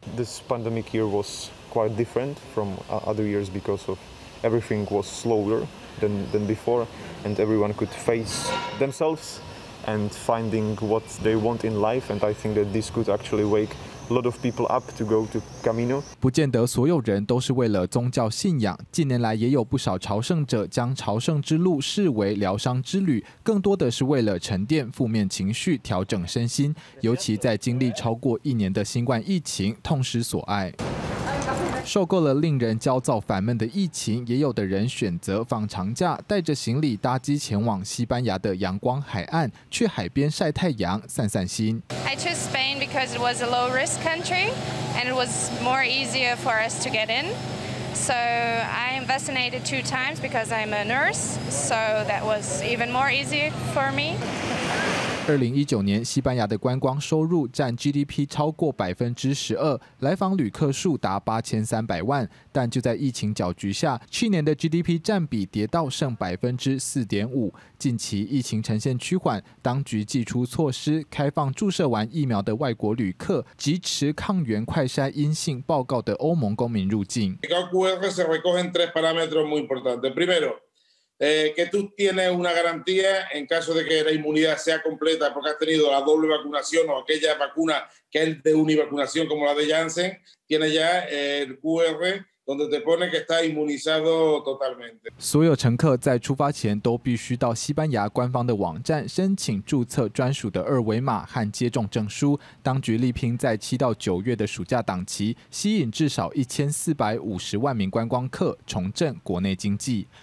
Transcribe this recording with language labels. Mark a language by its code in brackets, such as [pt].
[en] This pandemic year was quite different from other years because of everything was slower. Than before, and everyone could face themselves and finding what they want in life. And I think that this could actually wake a lot of people up to go to Camino. [zh] 不见得所有人都是为了宗教信仰。近年来也有不少朝圣者将朝圣之路视为疗伤之旅，更多的是为了沉淀负面情绪、调整身心。尤其在经历超过一年的新冠疫情，痛失所爱。受够了令人焦躁烦闷的疫情，也有的人选择放长假，带着行李搭机前往西班牙的阳光海岸，去海边晒太阳散散心。 [en] I chose Spain because it was a low risk country and it was more easier for us to get in. So I am vaccinated 2 times because I'm a nurse, so that was even more easier for me. [zh] 2019年，西班牙的观光收入占 GDP 超过12%，来访旅客数达8300万。但就在疫情搅局下，去年的 GDP 占比跌到剩4.5%。近期疫情呈现趋缓，当局祭出措施，开放注射完疫苗的外国旅客及持抗原快筛阴性报告的欧盟公民入境。 [es] QR se recogen 3 parámetros muy importantes. Primero,que tú tienes una garantía en caso de que la inmunidad sea completa porque has tenido la doble vacunación o aquella vacuna que es de univacunación como la de Janssen, tienes ya el QR donde te pone que está inmunizado totalmente. [zh] 所有乘客在出发前都必须到西班牙官方的网站申请注册专属的二维码和接种证书。当局力拼在7到9月的暑假档期，吸引至少1450万名观光客，重振国内经济。